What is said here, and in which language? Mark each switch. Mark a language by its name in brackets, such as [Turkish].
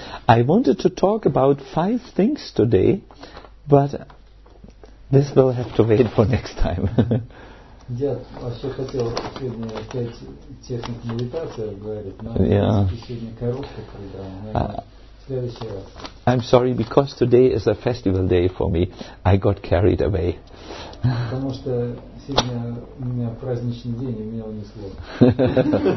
[English] I wanted to talk about five things today, but this will have to wait for next time. [Russian] Я вообще хотел сегодня опять технику медитации говорить, но сегодня короткая программа. [English] I'm sorry, because today is a festival day for me. I got carried away. [Russian] Потому что сегодня у меня праздничный день, и меня унесло.